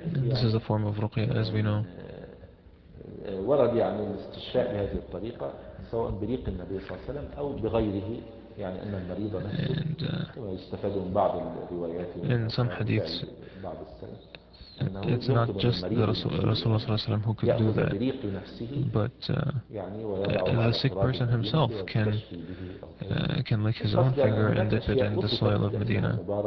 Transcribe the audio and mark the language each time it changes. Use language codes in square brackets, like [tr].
[en] This is a form of ruqya, as we know. [ar] ورد يعني الاستشفاء بهذه الطريقة سواء بريق النبي صلى الله عليه وسلم أو بغيره يعني أن المريض نفسه ويستفاد من بعض الروايات [en] in some hadiths [ar] بعض السلف [en] it's not just the Rasulullah who could do that, but the sick person himself can lick his own finger and dip it in the soil of Medina.